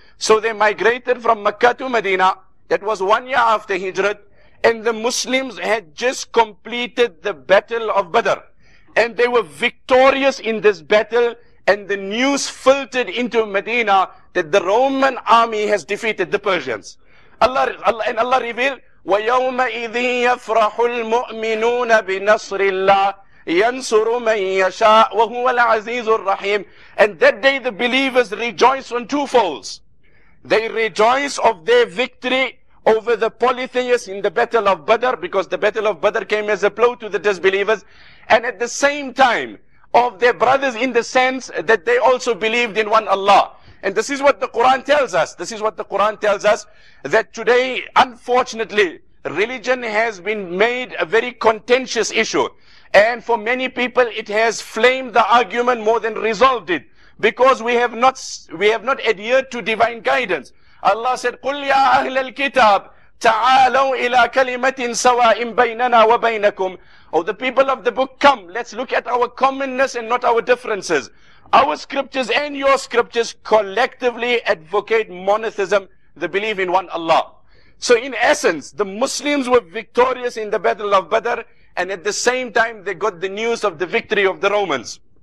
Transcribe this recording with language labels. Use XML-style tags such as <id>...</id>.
<en>So they migrated from Makkah to Medina. That was 1 year after Hijrat, and the Muslims had just completed the battle of Badr, and they were victorious in this battle, and the news filtered into Medina that the Roman army has defeated the Persians.</en> <ar>Allah revealed, وَيَوْمَ إِذِ يَفْرَحُ الْمُؤْمِنُونَ بِنَصْرِ اللَّهِ يَنْصُرُ مَنْ يَشَاءُ وَهُوَ الْعَزِيزُ الرَّحِيمُ.</ar> <en>And that day the believers rejoice on two folds. They rejoice of their victory over the polytheists in the Battle of Badr, because the Battle of Badr came as a blow to the disbelievers. And at the same time, of their brothers in the sense that they also believed in one Allah. And this is what the Quran tells us. This is what the Quran tells us, that today, unfortunately, religion has been made a very contentious issue. And for many people, it has flamed the argument more than resolved it. Because we have not adhered to divine guidance.</en> <ar>Allah said, قُلْ يَا أَهْلَ الْكِتَابِ تَعَالَوْا إِلَىٰ كَلِمَةٍ سَوَاءٍ بَيْنَنَا وَبَيْنَكُمْ.</ar> <en>Oh, the people of the book, come, let's look at our commonness and not our differences. Our scriptures and your scriptures collectively advocate monotheism, the belief in one Allah. So in essence, the Muslims were victorious in the Battle of Badr, and at the same time, they got the news of the victory of the Romans.</en>